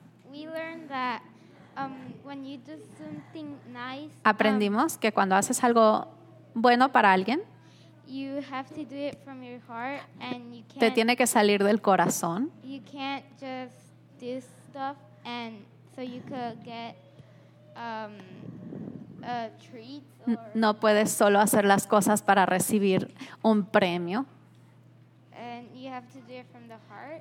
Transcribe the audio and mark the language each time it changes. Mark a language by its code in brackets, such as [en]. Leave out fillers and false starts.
[en] We learned that when you do something nice. [es] Aprendimos que cuando haces algo bueno para alguien, [en] you have to do it from your heart and you can't. [es] Te tiene que salir del corazón. [en] You can't just do stuff and so you could get a treat. [es] No puedes solo hacer las cosas para recibir un premio. [en] And you have to do it from the heart.